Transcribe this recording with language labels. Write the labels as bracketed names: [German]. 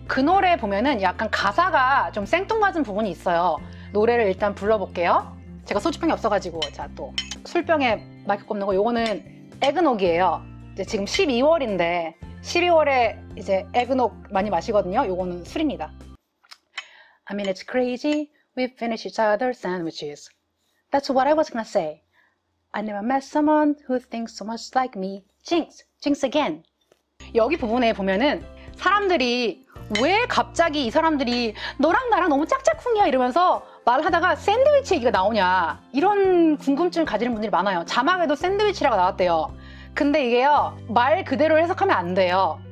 [Korean] 그 노래 보면은 약간 가사가 좀 생뚱맞은 부분이 있어요. 노래를 일단 불러볼게요. 제가 소주병이 없어가지고 자 또 술병에 마이크 꼽는 거 요거는 에그녹이에요. 이제 지금 12월인데 12월에 이제 에그녹 많이 마시거든요. 요거는 술입니다. [English] I mean it's crazy we finish each other's sandwiches. That's what I was gonna say. I never met someone who thinks so much like me. Jinx! Jinx again! [Korean] 여기 부분에 보면은 사람들이 왜 갑자기 이 사람들이 너랑 나랑 너무 짝짝꿍이야 이러면서 말하다가 샌드위치 얘기가 나오냐 이런 궁금증을 가지는 분들이 많아요. 자막에도 샌드위치라고 나왔대요. 근데 이게요 말 그대로 해석하면 안 돼요.